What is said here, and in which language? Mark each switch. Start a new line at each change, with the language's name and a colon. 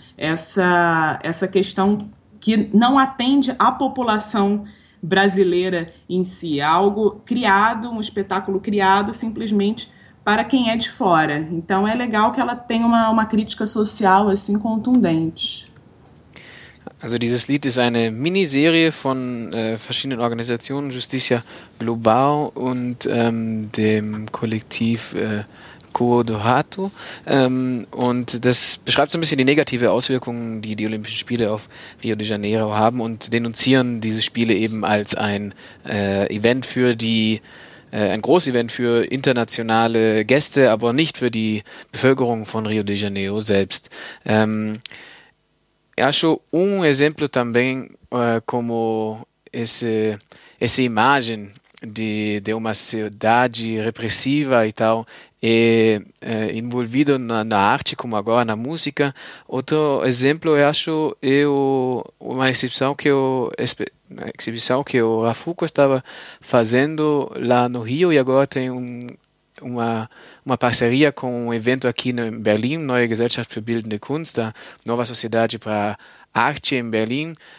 Portuguese: Essa questão que não atende à população brasileira em si. Algo criado, um espetáculo criado simplesmente para quem é de fora. Então é legal que ela tenha uma crítica social assim contundente.
German: Also dieses Lied ist eine Miniserie von verschiedenen Organisationen, Justiça Global und dem Kollektiv Coro do Rato. Und das beschreibt so ein bisschen die negative Auswirkungen, die die Olympischen Spiele auf Rio de Janeiro haben und denunzieren diese Spiele eben als ein Event für die ein Großevent für internationale Gäste, aber nicht für die Bevölkerung von Rio de Janeiro selbst.
Portuguese: Eu acho um exemplo também como essa imagem de uma cidade repressiva e tal é envolvida na arte, como agora na música. Outro exemplo, eu acho, uma exibição que o Rafuco estava fazendo lá no Rio e agora tem uma parceria com um evento aqui em Berlim, Neue Gesellschaft für Bildende Kunst, a Nova Sociedade para Arte em Berlim.